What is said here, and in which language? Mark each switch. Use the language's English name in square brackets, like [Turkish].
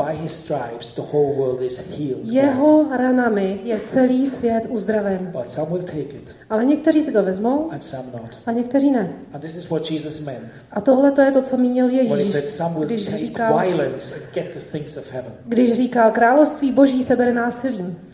[English] by his stripes, the whole world is healed. [Czech] Jeho ranami je celý svět uzdraven. [English] But some will take it. [Czech] Ale někteří si to vezmou. [English] And some not. [Czech] A někteří ne. [English] And this is what Jesus meant. [Czech] A tohle to je to, co mínil Ježíš. [English] When he said some will take violence and get the things of heaven. [Czech] Když říkal, království Boží se bere násilím.